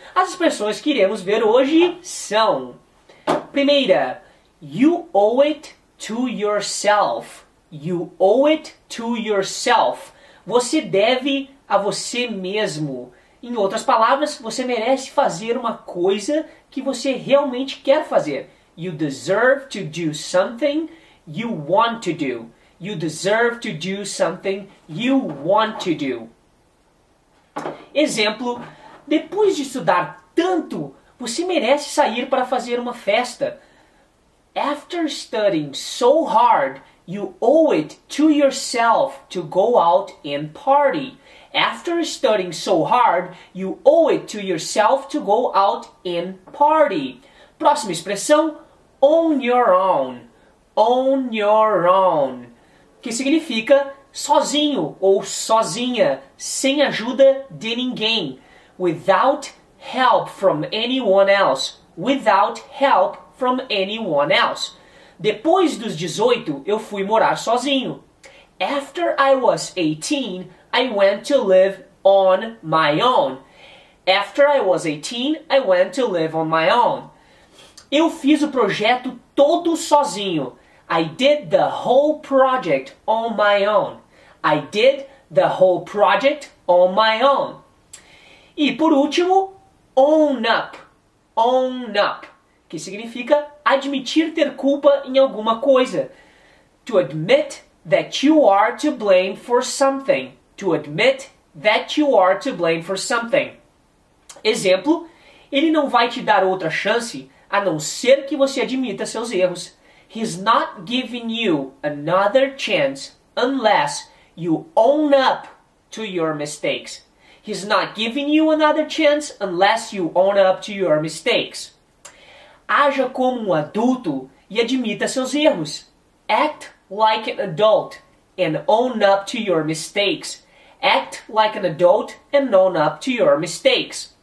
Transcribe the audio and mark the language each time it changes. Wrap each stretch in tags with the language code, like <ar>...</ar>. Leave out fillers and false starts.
<pt>As expressões que iremos ver hoje são: primeira,</pt> <en>you owe it to yourself. You owe it to yourself.</en> <pt>Você deve a você mesmo. Em outras palavras, você merece fazer uma coisa que você realmente quer fazer.</pt> <en>You deserve to do something you want to do. You deserve to do something you want to do.</en> <pt>Exemplo: depois de estudar tanto, você merece sair para fazer uma festa.</pt> <en>After studying so hard, you owe it to yourself to go out and party. After studying so hard, you owe it to yourself to go out and party.</en> <pt>Próxima expressão,</pt> <en>on your own. On your own.</en> <pt>Que significa sozinho ou sozinha, sem ajuda de ninguém.</pt> <en>Without help from anyone else. Without help from anyone else.</en> <pt>Depois dos 18, eu fui morar sozinho.</pt> <en>After I was 18, I went to live on my own. After I was 18, I went to live on my own.</en> <pt>Eu fiz o projeto todo sozinho.</pt> <en>I did the whole project on my own. I did the whole project on my own.</en> <pt>E por último,</pt> <en>own up. Own up.</en> <pt>Que significa admitir ter culpa em alguma coisa.</pt> <en>To admit that you are to blame for something. To admit that you are to blame for something.</en> <pt>Exemplo: ele não vai te dar outra chance a não ser que você admita seus erros.</pt> <en>He's not giving you another chance unless you own up to your mistakes. He's not giving you another chance unless you own up to your mistakes.</en> <pt>Aja como um adulto e admita seus erros.</pt> <en>Act like an adult and own up to your mistakes. Act like an adult and own up to your mistakes.</en>